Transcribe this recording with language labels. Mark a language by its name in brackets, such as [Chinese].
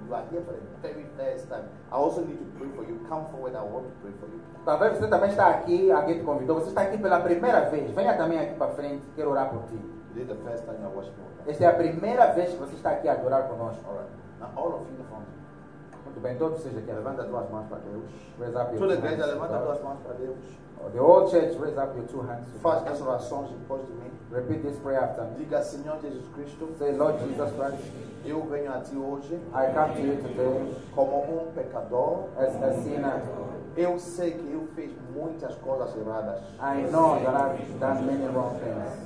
[English] You are here for the very first time. I also need to pray for you. Come forward, I want to pray for you. [Portuguese] Talvez você também está aqui, alguém te convidou. Você está aqui pela primeira vez. Venha também aqui para frente, quero orar por ti. [English] This is the first time you're worshiping with us. [Portuguese] Esta é a primeira vez que você está aqui a adorar conosco. [English] Alright. Now all of you in the front. [Portuguese] Muito bem, todos vocês aqui. Levanta duas mãos para Deus. [English] Raise up your two hands. [Portuguese] Igreja, levanta duas mãos para Deus. [English] The whole church, raise up your two hands. [Portuguese] Faz as orações e pôs de mim. [English] Repeat this prayer after me. [Portuguese] Diga, Senhor Jesus Cristo. [English] Say, Lord Jesus Christ. [Portuguese] Eu venho a ti hoje. [English] I come to you today. [Portuguese] Como pecador. [English] As a sinner. [Portuguese] Eu sei que eu fiz muitas coisas erradas. [English] I know that I've done many wrong things.